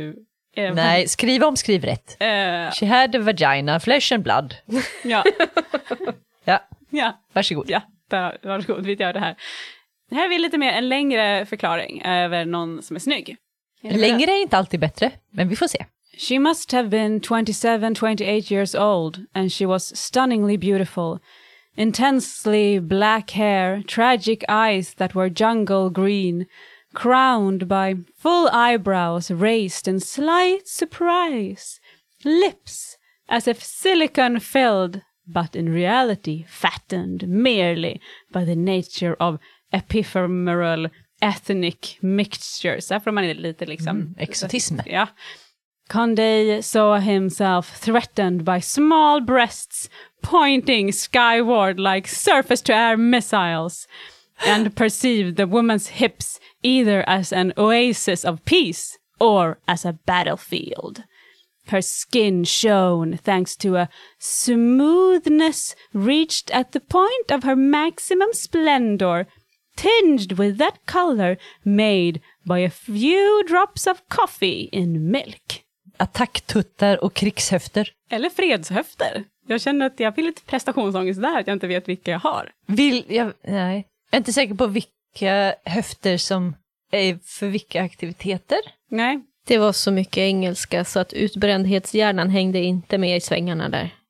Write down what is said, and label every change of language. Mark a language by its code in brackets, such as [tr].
[sv] ju. Nej, skriv om, skriv rätt. [en] She had a vagina, flesh and blood. [sv] Ja. Ja. Ja, varsågod. Ja, varsågod, vi gör det här. Här vill lite mer en längre förklaring över någon som är snygg. Är längre är inte alltid bättre, men vi får se. [en] She must have been 27-28 years old and she was stunningly beautiful. Intensely black hair, tragic eyes that were jungle green, crowned by full eyebrows raised in slight surprise, lips as if silicone filled, but in reality fattened merely by the nature of epifemeral ethnic mixtures. [sv] Därför man är lite liksom... Exotism. [en] Ja. Condé saw himself threatened by small breasts pointing skyward like surface-to-air missiles and perceived the woman's hips either as an oasis of peace or as a battlefield. Her skin shone thanks to a smoothness reached at the point of her maximum splendor, tinged with that color made by a few drops of coffee in milk. [sv] Attacktuttar och krigshöfter. Eller fredshöfter. Jag känner att jag vill lite prestationsångest där, att jag inte vet vilka jag har. Vill jag? Nej. Jag är inte säker på vilka höfter som är för vilka aktiviteter. Nej. Det var så mycket engelska så att utbrändhetshjärnan hängde inte med i svängarna där.